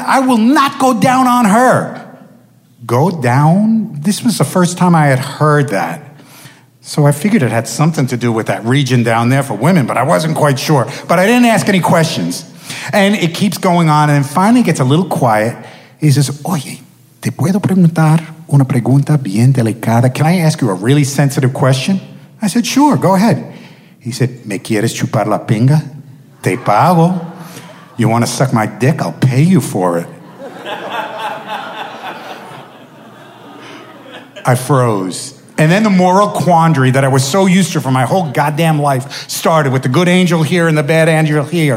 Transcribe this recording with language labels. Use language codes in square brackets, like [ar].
[en] I will not go down on her. Go down? This was the first time I had heard that. So I figured it had something to do with that region down there for women, but I wasn't quite sure. But I didn't ask any questions. And it keeps going on, and then finally gets a little quiet. He says, [es] oye, ¿te puedo preguntar una pregunta bien delicada? [en] Can I ask you a really sensitive question? I said, sure, go ahead. He said, [es] ¿me quieres chupar la pinga? Te pago. [en] You want to suck my dick? I'll pay you for it. I froze. And then the moral quandary that I was so used to for my whole goddamn life started with the good angel here and the bad angel here.